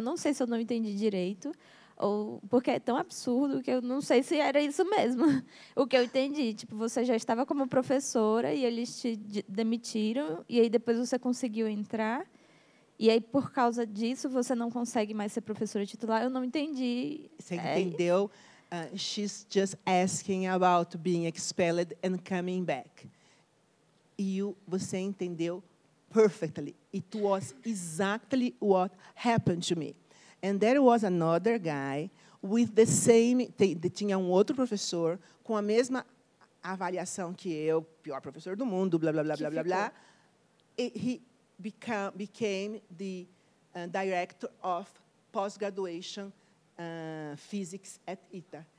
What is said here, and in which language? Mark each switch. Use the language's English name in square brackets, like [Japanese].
[Portuguese] Eu não sei se eu não entendi direito, ou porque é tão absurdo que eu não sei se era isso mesmo. O que eu entendi, tipo, você já estava como professora e eles te demitiram, e aí depois você conseguiu entrar, e aí por causa disso você não consegue mais ser professora titular. Eu não entendi. Você entendeu? [English] She's just asking about being expelled and coming back. [Portuguese] Você entendeu [English] perfectly. It was exactly what happened to me. And there was another guy with the same... [Portuguese] Tinha outro professor com a mesma avaliação que eu, pior professor do mundo, blá, blá, blá, blá, blá, blá. [English] He became the director of post-graduation physics at ITA.